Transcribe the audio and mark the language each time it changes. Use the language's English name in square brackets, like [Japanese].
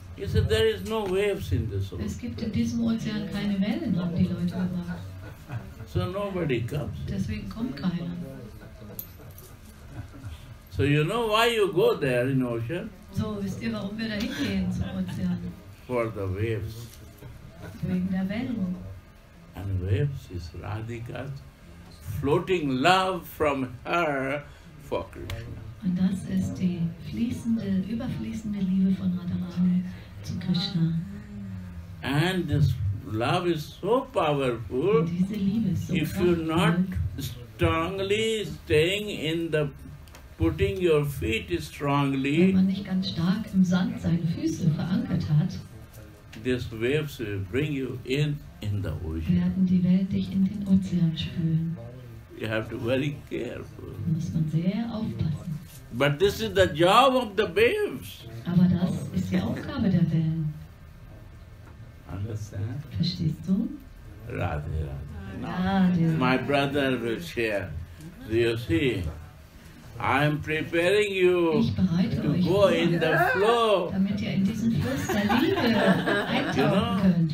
[English] He said, there is no waves in this ocean. [German] Es gibt in diesem Ozean keine Wellen, haben die Leute gemacht. [English] So nobody comes. [German] Deswegen kommt keiner. [English] So you know why you go there in ocean? [German] So, wisst ihr, warum wir da hingehen zum Ozean? [English] For the waves. [German] Wegen der Wellen. [English] And waves is Radhika's floating love from her for Krishna. [German] Und das ist die fließende, überfließende Liebe von Radharani zu Krishna. [English] And this love is so powerful. [German] Und diese Liebe ist so [English] powerful. If you're not strongly staying in the putting your feet strongly, [German] wenn man nicht ganz stark im Sand seine Füße verankert hat, [English] this waves will bring you in the ocean. [German] Werden die Wellen dich in den Ozean spülen. [English] You have to be very careful. [German] Muss man sehr aufpassen. [English] But this is the job of the waves. [German] Aber das ist die Aufgabe der Wellen. [English] Understand? [German] Verstehst du? [English] Radhe, Radhe. No. My brother will share. Do you see? I am preparing you to go in the flow. [German] Damit ihr in diesen Fluss der Liebe eintauchen könnt.